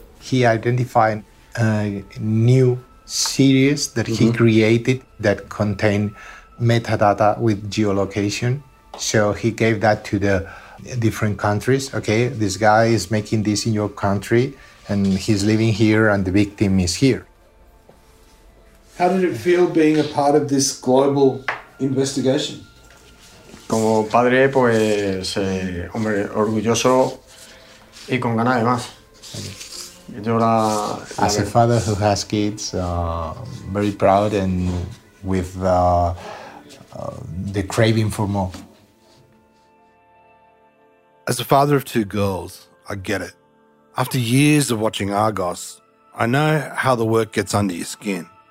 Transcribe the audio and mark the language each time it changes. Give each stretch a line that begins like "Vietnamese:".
English: He identified a new series that he created that contained metadata with geolocation. So he gave that to the different countries. Okay, this guy is making this in your country and he's living here and the victim is here. How did it feel being a part of this global investigation?
Spanish: Como padre, pues, hombre, orgulloso y con ganas de más. Yo la,
English: as a father who has kids, very proud and with the craving for more. As a father of two girls, I get it. After years of watching Argos, I know how the work gets under your skin.